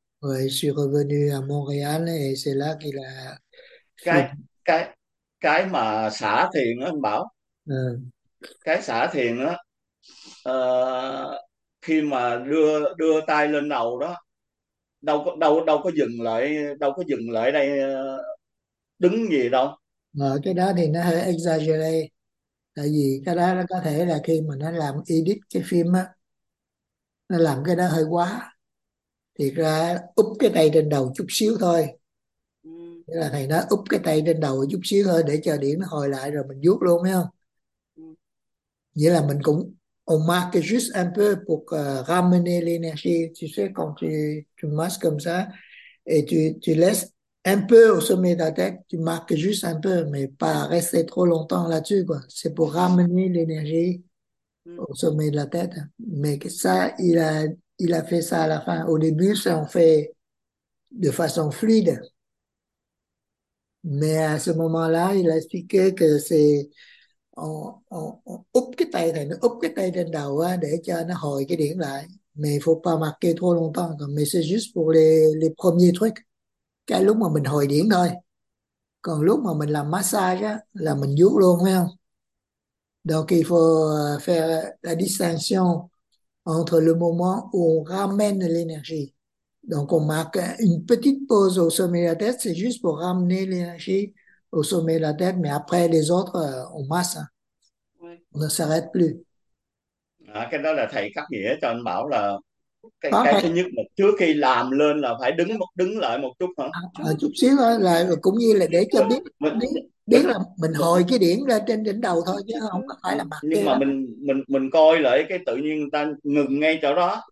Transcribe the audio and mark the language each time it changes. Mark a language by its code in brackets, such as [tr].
[fr] Rồi je suis revenu à Montréal et c'est là qu'il a fait [vi] Cái mà xả thiền á anh Bảo, cái xả thiền á, khi mà đưa đưa tay lên đầu đó, đâu có đâu đâu có dừng lại, đâu có dừng lại đây, đứng gì đâu. Ở cái đó thì nó hơi exaggerate, tại vì cái đó nó có thể là khi mà nó làm edit cái phim á, nó làm cái đó hơi quá, thiệt ra úp cái tay trên đầu chút xíu thôi, nghĩa là thầy nó úp cái tay trên đầu chút xíu thôi để cho điểm nó hồi lại rồi mình vuốt luôn, thấy không, nghĩa là mình cũng [fr] on marque juste un peu pour ramener l'énergie, tu sais quand tu masques comme ça et tu laisses un peu au sommet de la tête, tu marques juste un peu, mais pas rester trop longtemps là-dessus, quoi. C'est pour ramener l'énergie au sommet de la tête. Mais que ça, il a fait ça à la fin. Au début, ça on fait de façon fluide. Mais à ce moment-là, il a expliqué que c'est, on [vi] úp cái tay, thầy nó úp cái tay trên đầu hein, để cho nó hồi cái điểm lại. [fr] Mais faut pas marquer trop longtemps. Mais c'est juste pour les premiers trucs. [vi] Cái lúc mà mình hồi điểm thôi, còn lúc mà mình làm massage á là mình vuốt luôn, phải không? [fr] Donc il faut faire la distinction entre le moment où on ramène l'énergie. Donc on marque une petite pause au sommet de la tête, c'est juste pour ramener l'énergie au sommet de la tête, mais après les autres on masse, on ne s'arrête plus. [vi] À, cái đó là thầy cắt nghĩa cho anh Bảo là Có cái phải thứ nhất là trước khi làm lên là phải đứng đứng lại một chút hả? À, chút xíu là cũng như là để cho biết biết là mình hồi cái điểm ra trên đỉnh đầu thôi, chứ không có phải là mặt Nhưng kia mà đó. mình coi lại cái tự nhiên người ta ngừng ngay chỗ đó,